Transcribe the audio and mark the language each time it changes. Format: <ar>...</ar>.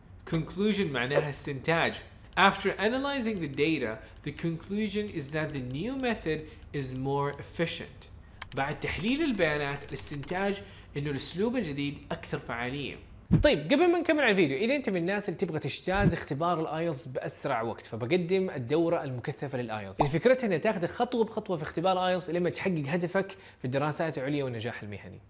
<ar>Conclusion معناها استنتاج.</ar> <en>After analyzing the data, the conclusion is that the new method is more efficient.</en> <ar>بعد تحليل البيانات الاستنتاج انه الاسلوب الجديد اكثر فعالية. طيب قبل ما نكمل على الفيديو، اذا انت من الناس اللي تبغى تجتاز اختبار الايلتس باسرع وقت، فبقدم الدورة المكثفة للايلتس اللي فكرتها انها تاخذك خطوة بخطوة في اختبار الايلتس لما تحقق هدفك في الدراسات العليا والنجاح المهني.</ar>